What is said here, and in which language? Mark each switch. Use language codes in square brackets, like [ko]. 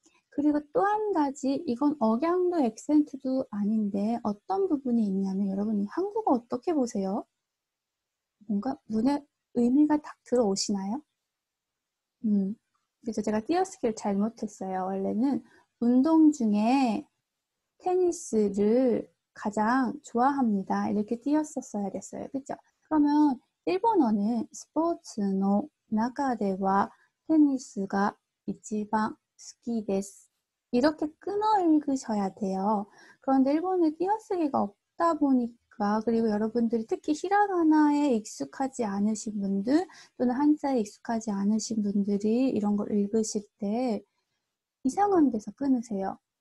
[ko] 그리고 또한 가지, 이건 억양도 액센트도 아닌데 어떤 부분이 있냐면 여러분 한국어 어떻게 보세요? 뭔가 문의 의미가 딱 들어오시나요? 그래서 제가 띄어쓰기를 잘못했어요. 원래는 운동 중에 테니스를 가장 좋아합니다. 이렇게 띄었었어야 됐어요. 그렇죠? 그러면 일본어는 [ja] 스포츠 の中ではテニスが一番好きです。 [ko] 이렇게 끊어 읽으셔야 돼요. 그런데 일본은 띄어쓰기가 없다 보니까, 그리고 여러분들이 특히 히라가나에 익숙하지 않으신 분들 또는 한자에 익숙하지 않으신 분들이 이런 걸 읽으실 때 이상한 데서 끊으세요.